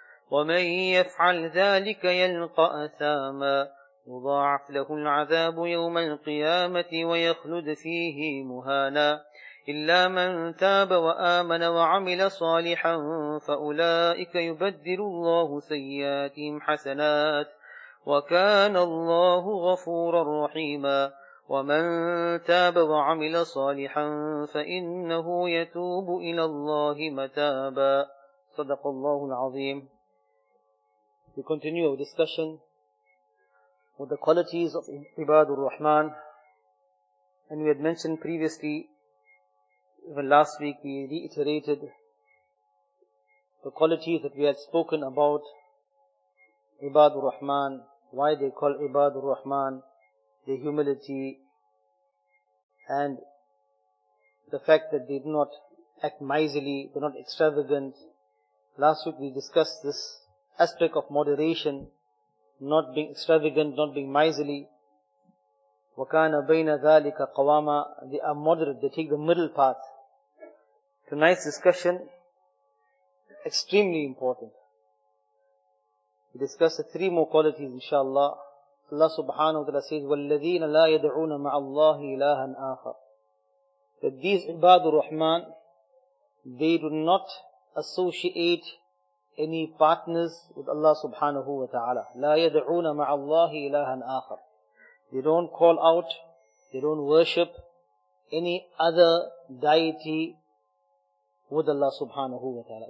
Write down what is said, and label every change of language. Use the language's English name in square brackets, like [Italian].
[Arabic] ومن يفعل ذلك يلقى أثاما يضاعف له العذاب يوم القيامة ويخلد فيه مهانا إلا من تاب وآمن وعمل صالحا فأولئك يبدل الله سيئاتهم حسنات وكان الله غفورا رحيما ومن تاب وعمل صالحا فإنه يتوب إلى الله متابا صدق الله العظيم. [English] We continue our discussion with the qualities of Ibadur Rahman, and we had mentioned previously, even last week we reiterated the qualities that we had spoken about Ibadur Rahman, why they call Ibadur Rahman, the humility and the fact that they do not act miserly, they're not extravagant. Last week we discussed this aspect of moderation, not being extravagant, not being miserly. [Arabic] وَكَانَ بَيْنَ ذَٰلِكَ قَوَامًا. [English] They are moderate, they take the middle path. Tonight's discussion, extremely important. We discuss the three more qualities, inshaAllah. [Arabic] Allah subhanahu wa ta'ala [English] says, [Arabic] وَالَّذِينَ لَا يَدْعُونَ مَعَ اللَّهِ إِلَٰهًا آخَرٍ. [English] That these Ibadur Rahman, they do not associate any partners with Allah subhanahu wa ta'ala. [Arabic] لَا يَدْعُونَ مَعَ اللَّهِ إِلَٰهًا آخَرٍ. [English] They don't call out, they don't worship any other deity with Allah subhanahu wa ta'ala.